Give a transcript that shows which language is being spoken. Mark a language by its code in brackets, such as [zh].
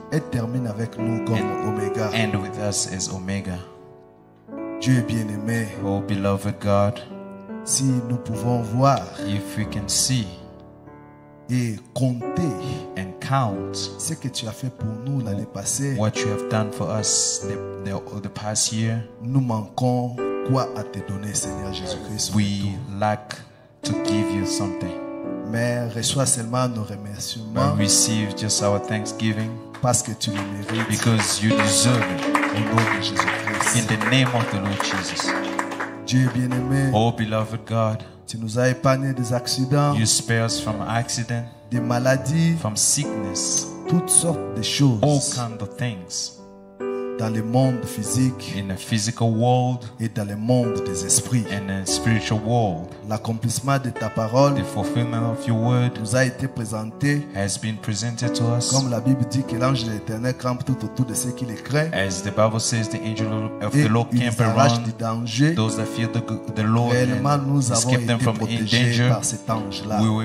[fr] Et termine avec nous comme [en] and Omega. End with us as Omega. [fr] Dieu bien-aimé, [en] oh beloved God. [fr] Si nous pouvons voir, [en] if we can see, [fr] et compter, [en] and count, [fr] ce que tu as fait pour nous l'année passée, [en] what you have done for us the past year, [fr] nous manquons quoi à te donner, Seigneur Jésus-Christ. [en] We lack to give you something. [fr] Mais reçois seulement nos remerciements. [en] But receive just our thanksgiving, [fr] parce que tu le mérites. [en] Because you deserve it. [fr] Au nom de Jésus-Christ. [en] In the name of the Lord Jesus. [fr] Dieu bien-aimé, [en] oh beloved God, [fr] tu nous as épargné des accidents, [en] you spare us from accident, [fr] des maladies, [en] from sickness, [fr] toutes sortes de choses, [en] all kinds of things, [fr] dans le monde physique, [en] in the physical world, [fr] et dans le monde des esprits, [en] in the spiritual world. [fr] L'accomplissement de ta parole, [en] the fulfillment of your word, [fr] nous a été présenté, [en] has been presented to us, [fr] comme la Bible dit que l'ange de l'Éternel campe tout autour de ceux qui le craignent, [en] as the Bible says, the angel of the Lord camp around [fr] du danger, [en] those that fear the Lord, [fr] réellement, nous avons [en] escape them from danger, [fr] par cet ange-là.